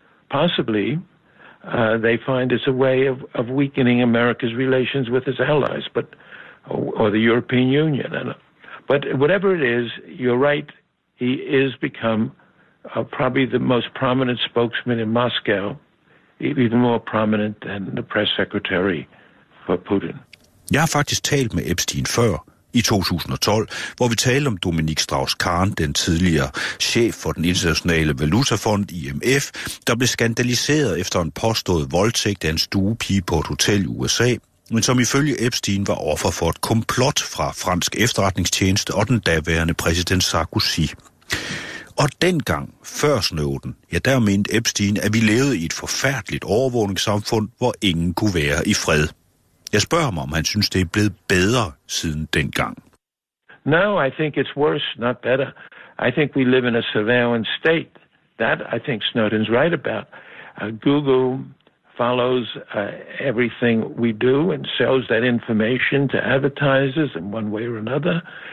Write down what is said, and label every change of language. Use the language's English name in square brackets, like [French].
[English] Possibly, they find it's a way of weakening America's relations with its allies, but or the European Union. But whatever it is, you're right, he is become probably the most prominent spokesman in Moscow, even more prominent than the press secretary for Putin. [Danish] Jeg har faktisk talt med Epstein før, i 2012, hvor vi talte om Dominik Strauss-Kahn, den tidligere chef for den internationale valutafond IMF, der blev skandaliseret efter en påstået voldtægt af en stuepige på et hotel i USA, men som ifølge Epstein var offer for et komplot fra fransk efterretningstjeneste og den daværende præsident Sarkozy. Og dengang, før Snowden, ja, der mente Epstein, at vi levede i et forfærdeligt overvågningssamfund, hvor ingen kunne være i fred. Jeg spørger ham, om han synes, det er blevet bedre siden dengang. [English] No, I think it's worse, not better. I think we live in a surveillance state. That, I think, Snowden's right about. Google follows everything we do and sells that information to advertisers in one way or another.